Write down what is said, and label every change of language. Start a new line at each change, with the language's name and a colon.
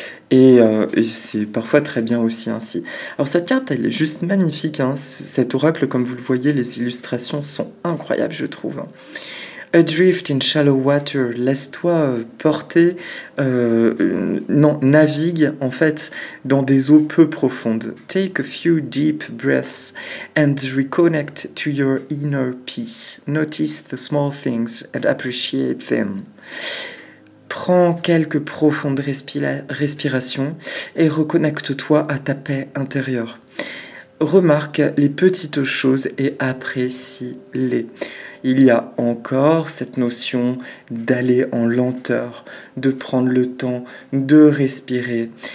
French: Et c'est parfois très bien aussi ainsi. Alors cette carte, elle est juste magnifique. Hein. Cet oracle, comme vous le voyez, les illustrations sont incroyables, je trouve.
English: Adrift in shallow water,
French: laisse-toi porter, navigue en fait dans des eaux peu profondes.
English: Take a few deep breaths and reconnect to your inner peace. Notice the small things and appreciate them.
French: Prends quelques profondes respirations et reconnecte-toi à ta paix intérieure. Remarque les petites choses et apprécie-les. Il y a encore cette notion d'aller en lenteur, de prendre le temps de respirer.